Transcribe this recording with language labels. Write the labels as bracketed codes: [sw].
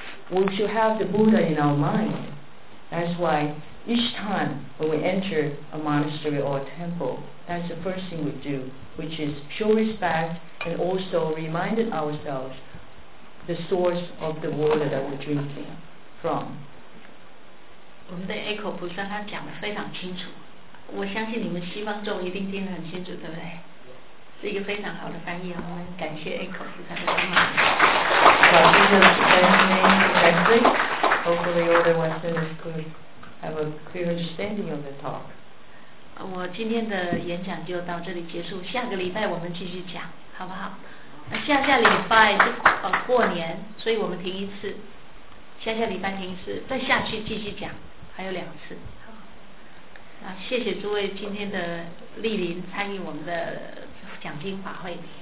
[en] we should have the Buddha in our mind. That's why each time when we enter a monastery or a temple, that's the first thing we do, which is show respect and also remind ourselves the source of the water that we're drinking from. [zh] 我们的 Echo 菩萨他讲得非常清楚，我相信你们西方众一定听得很清楚，对不对？是一个非常好的翻译，我们感谢 Echo 菩萨的帮忙。 [en] Well, this is Benjamin Leslie. Hopefully, all the Westerners could have a clear understanding of the talk. [zh] 我今天的演讲就到这里结束，下个礼拜我们继续讲，好不好？那下下礼拜是过年，所以我们停一次。下下礼拜停一次，再下去继续讲，还有两次。好，谢谢诸位今天的莅临参与我们的讲经法会。